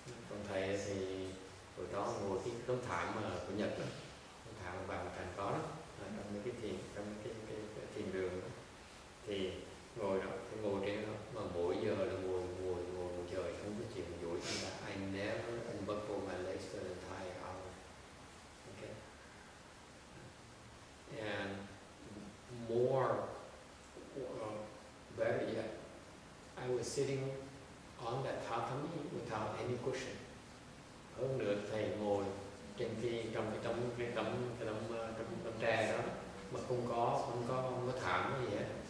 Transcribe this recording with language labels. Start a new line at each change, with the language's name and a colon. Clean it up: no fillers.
Vietnamese: Còn thầy thì hồi đó ngồi cái tấm thảm mà của Nhật đó, tấm thảm mà bạn thành có đó, trong những cái thiền trong cái thiền đường đó. Thì ngồi đó, cái ngồi trên đó mà mỗi giờ là ngồi một giờ không có chuyện duỗi chúng ta.
English: I never unbuckle my legs for the entire hour. Okay. And more better yet, I was sitting on that tatami without any cushion.
Vietnamese: Hơn nữa thầy ngồi trên khi trong cái tấm tre đó mà không có thảm gì hết.